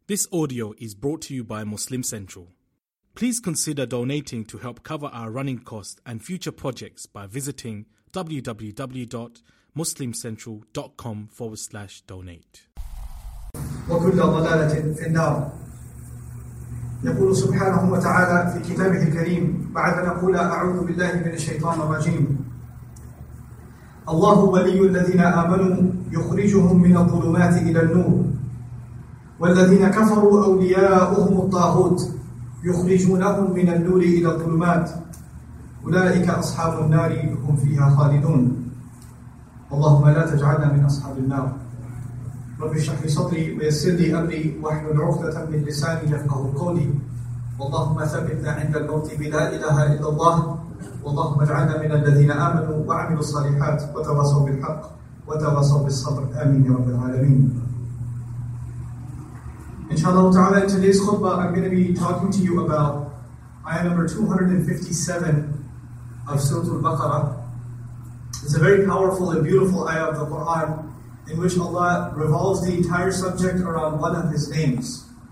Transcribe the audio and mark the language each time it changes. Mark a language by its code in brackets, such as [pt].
[en] This audio is brought to you by Muslim Central. Please consider donating to help cover our running costs and future projects by visiting www.muslimcentral.com/donate. [ar] وكل ضلالة في النار. يقول سبحانه وتعالى في كتابه الكريم بعد أن أقول أعوذ بالله من الشيطان الرجيم. الله ولي الذين آمنوا يخرجهم من الظلمات إلى النور. والذين كفروا أولياؤهم الطاغوت يخرجونهم من النور إلى الظلمات أولئك أصحاب النار هم فيها خالدون اللهم لا تجعلنا من أصحاب النار رب اشرح لي صدري ويسر لي أمري واحلل عقدة من لساني يفقه قولي اللهم ثبتنا عند الموت بلا إله إلا الله اللهم اجعلنا من الذين آمنوا وعملوا الصالحات وتواصوا بالحق وتواصوا بالصبر آمين يا رب العالمين. [en] Inshallah ta'ala, in today's khutbah, I'm going to be talking to you about ayah number 257 of Surah Al-Baqarah. It's a very powerful and beautiful ayah of the Qur'an in which Allah revolves the entire subject around one of His names.